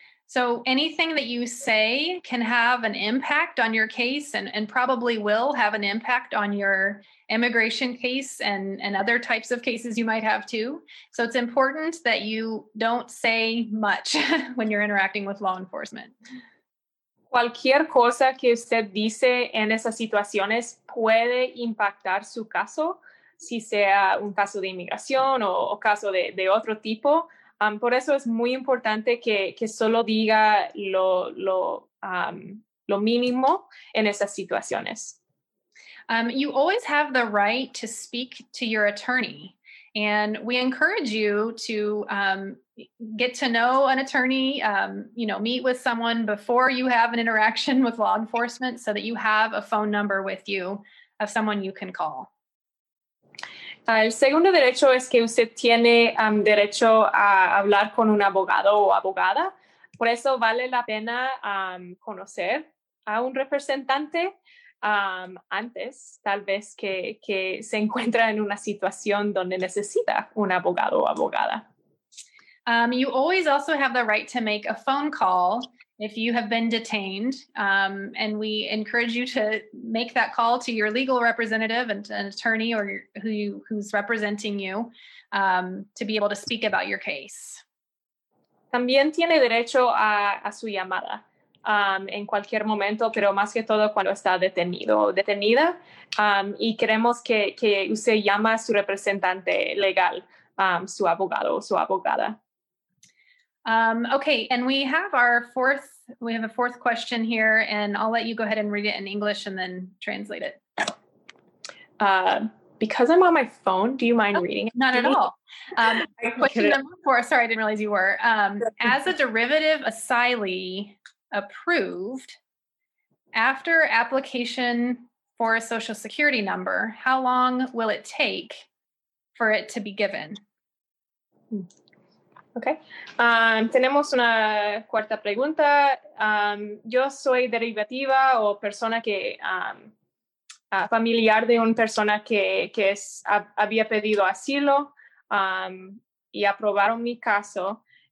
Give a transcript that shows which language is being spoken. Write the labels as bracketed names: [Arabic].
[English] So anything that you say can have an impact on your case and probably will have an impact on your immigration case and other types of cases you might have too. So it's important that you don't say much when you're interacting with law enforcement. [Spanish] Cualquier cosa que usted dice en esas situaciones puede impactar su caso, si sea un caso de inmigración o caso de otro tipo. Por eso es muy importante que solo diga lo mínimo en esas situaciones. [English] You always have the right to speak to your attorney. And we encourage you to get to know an attorney, meet with someone before you have an interaction with law enforcement so that you have a phone number with you of someone you can call. [Spanish] El segundo derecho es que usted tiene derecho a hablar con un abogado o abogada. Por eso vale la pena conocer a un representante antes, tal vez que se encuentra en una situación donde necesita un abogado o abogada. [English] You always also have the right to make a phone call if you have been detained, and we encourage you to make that call to your legal representative and an attorney or who's representing you to be able to speak about your case. [Spanish] También tiene derecho a su llamada en cualquier momento, pero más que todo cuando está detenido o detenida, y queremos que usted llame a su representante legal, su abogado o su abogada. [English] Okay, and we have a fourth question here, and I'll let you go ahead and read it in English and then translate it. Because I'm on my phone, do you mind reading it? Not at all. I didn't realize you were. As a derivative asylee approved, after application for a social security number, how long will it take for it to be given? Okay. [Spanish] Tenemos una cuarta pregunta. Yo soy derivativa o persona que familiar de una persona que había pedido asilo y aprobaron mi caso.